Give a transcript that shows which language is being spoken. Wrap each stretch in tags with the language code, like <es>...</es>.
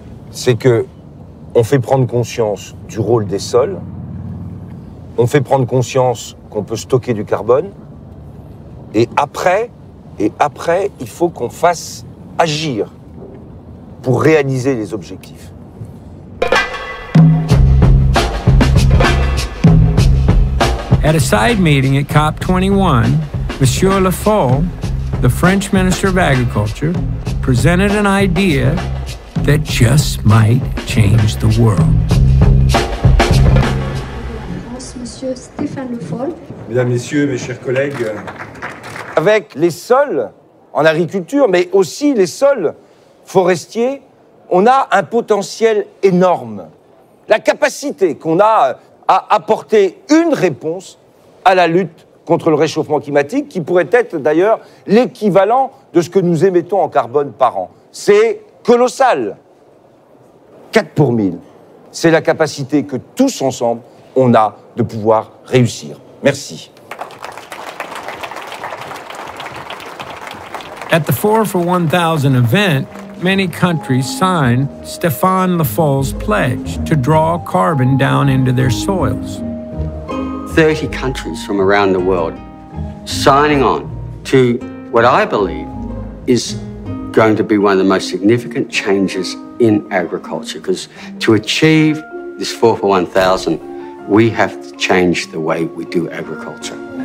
<fr>C'est que on fait prendre conscience du rôle des sols, on fait prendre conscience qu'on peut stocker du carbone, et après, il faut qu'on fasse agir pour réaliser les objectifs.</fr> <en>At a side meeting at COP21, Monsieur Lafol, the French Minister of Agriculture, presented an idea that just might change the world.</en> <fr>Monsieur Stéphane Le Foll. Mesdames, Messieurs, mes chers collègues. Avec les sols en agriculture, mais aussi les sols forestiers, on a un potentiel énorme. La capacité qu'on a à apporter une réponse à la lutte contre le réchauffement climatique, qui pourrait être d'ailleurs l'équivalent de ce que nous émettons en carbone par an. C'est colossal. 4 pour 1000, c'est la capacité que tous ensemble, on a de pouvoir réussir. Merci.</fr> <en>At the 4 for 1000 event, many countries signed Stéphane Le Foll's pledge to draw carbon down into their soils. 30 countries from around the world signing on to what I believe is going to be one of the most significant changes in agriculture, because to achieve this 4 for 1000, we have to change the way we do agriculture.</en>